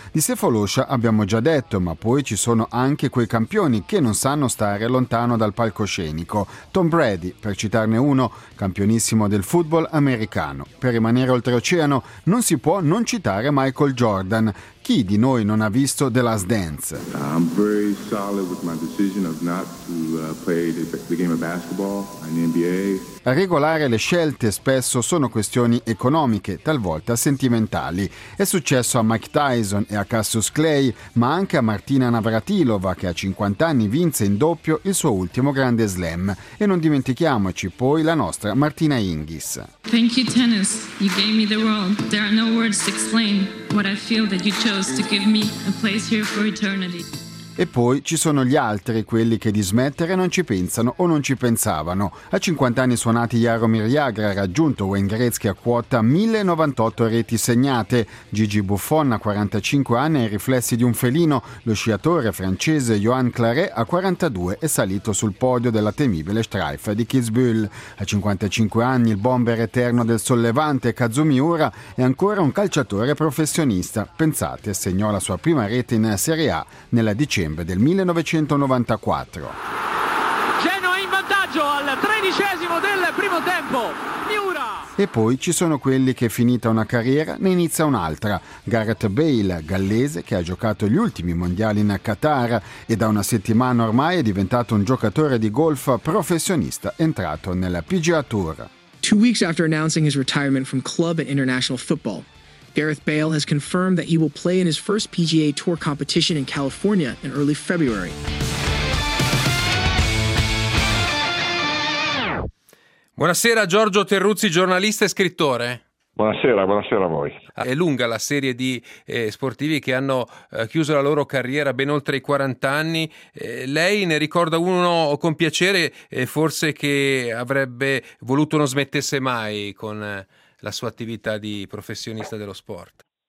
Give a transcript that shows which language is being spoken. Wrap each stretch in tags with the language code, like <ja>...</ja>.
<it>Di Sefolosha abbiamo già detto, ma poi ci sono anche quei campioni che non sanno stare lontano dal palcoscenico. Tom Brady, per citarne uno, campionissimo del football americano. Per rimanere oltreoceano non si può non citare Michael Jordan. Chi di noi non ha visto The Last Dance?</it> <en>I'm very solid with my decision of not to play the game of basketball in the NBA.</en> <it>A regolare le scelte spesso sono questioni economiche, talvolta sentimentali. È successo a Mike Tyson e a Cassius Clay, ma anche a Martina Navratilova, che a 50 anni vinse in doppio il suo ultimo grande slam. E non dimentichiamoci poi la nostra Martina Hingis.</it> <en>Thank you tennis, you gave me the world. There are no words to explain what I feel that you chose to give me a place here for eternity.</en> <it>E poi ci sono gli altri, quelli che di smettere non ci pensano o non ci pensavano. A 50 anni suonati Jaromir Jagr ha raggiunto Wayne Gretzky a quota 1098 reti segnate. Gigi Buffon a 45 anni ai riflessi di un felino. Lo sciatore francese Johan Claret a 42 è salito sul podio della temibile Strife di Kitzbühel. A 55 anni il bomber eterno del sollevante Kazumi Ura è ancora un calciatore professionista. Pensate, segnò la sua prima rete in Serie A nella dicembre del 1994. Genoa in vantaggio. calcio al 13° del primo tempo. Miura. E poi ci sono quelli che, finita una carriera, ne inizia un'altra. Gareth Bale, gallese, che ha giocato gli ultimi mondiali in Qatar e da una settimana ormai è diventato un giocatore di golf professionista, entrato nella PGA Tour.</it> <en>2 weeks after announcing his retirement from club and international football, Gareth Bale has confirmed that he will play in his first PGA Tour competition in California in early February.</en> <it>Buonasera Giorgio Terruzzi, giornalista e scrittore. Buonasera, buonasera a voi. È lunga la serie di sportivi che hanno chiuso la loro carriera ben oltre i 40 anni. Lei ne ricorda uno con piacere, forse che avrebbe voluto non smettesse mai con la sua attività di professionista dello sport?</it>